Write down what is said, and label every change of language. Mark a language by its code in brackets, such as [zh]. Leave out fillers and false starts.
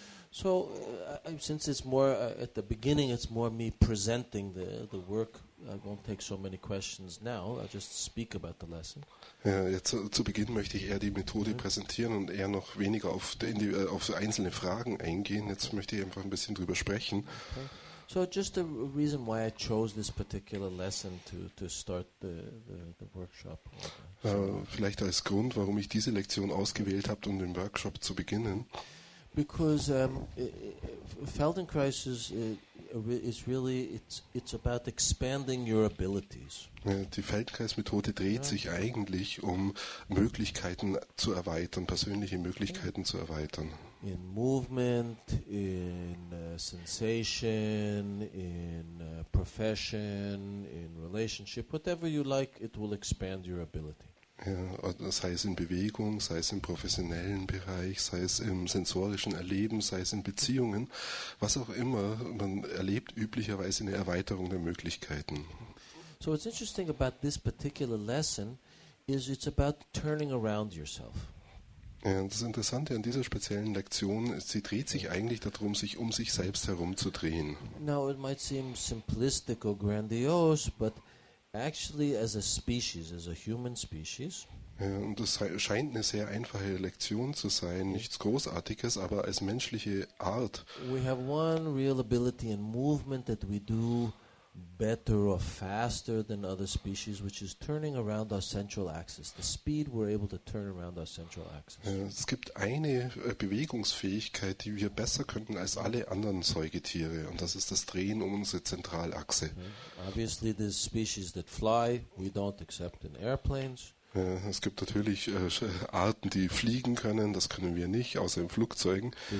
[en] So since it's more at the beginning, it's more me presenting the work. I won't take so many questions now. I'll just speak about the lesson. [de] Ja, jetzt zu Beginn möchte ich eher die Methode präsentieren und eher noch weniger auf einzelne Fragen eingehen. Jetzt möchte ich einfach ein bisschen drüber sprechen. [en] Okay. So just the reason why I chose this particular lesson to start the workshop. [de] Vielleicht als Grund, warum ich diese Lektion ausgewählt habe, um den Workshop zu beginnen. [en] Because Feldenkrais is really it's about expanding your abilities. [de] Ja, die Feldenkrais-Methode dreht sich eigentlich um Möglichkeiten zu erweitern, persönliche Möglichkeiten zu erweitern. [en] In movement, in sensation, in profession, in relationship, whatever you like, it will expand your ability. [de] Ja, sei es in Bewegung, sei es im professionellen Bereich, sei es im sensorischen Erleben, sei es in Beziehungen, was auch immer, man erlebt üblicherweise eine Erweiterung der Möglichkeiten. [en] So what's interesting about this particular lesson is it's about turning around yourself. [de] Ja, das Interessante an dieser speziellen Lektion ist, sie dreht sich eigentlich darum, sich um sich selbst herumzudrehen. [en] Now it might seem simplistic or grandiose, but actually, as a species, as a human species. [de] Ja, und das scheint eine sehr einfache Lektion zu sein, nichts Großartiges, aber als menschliche Art. [en] We have one real ability in movement that we do better or faster than other species, which is turning around our central axis. The speed we're able to turn around our central axis. [de] Ja, es gibt eine Bewegungsfähigkeit, die wir besser könnten als alle anderen Säugetiere, und das ist das Drehen um unsere Zentralachse. [en] Okay. Obviously, the species that fly, we don't accept in airplanes. [de] Ja, es gibt natürlich Arten, die fliegen können, das können wir nicht, außer in Flugzeugen.